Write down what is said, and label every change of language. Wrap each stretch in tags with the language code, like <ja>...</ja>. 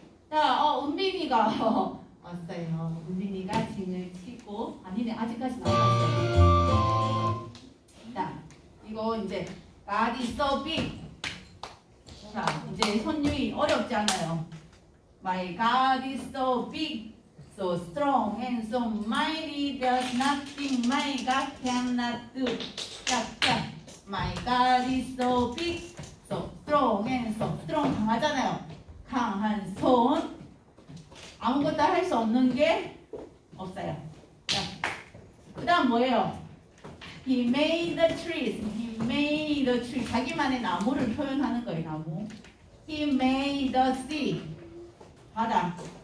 <ko>자 은빈이가 왔어요. 은빈이가 징을 치고 아니네 아직까지 나왔어요. 자 이거 이제</ko> <en>God is so big.</en> <ko>자 이제 선율이 어렵지 않아요.</ko> <en>My God is so big, so strong, and so mighty. There's nothing my God cannot do.</en> <ko>짝짝.</ko> <en>My God is so big, so strong, and so strong.</en> <ko>강하잖아요. 강한 손. 아무것도 할 수 없는 게 없어요. 그 다음 뭐예요?</ko> <en>He made the trees. He made the trees.</en> <ko>자기만의 나무를 표현하는 거예요, 나무.</ko> <en>He made the sea.</en> <ko>바다.</ko>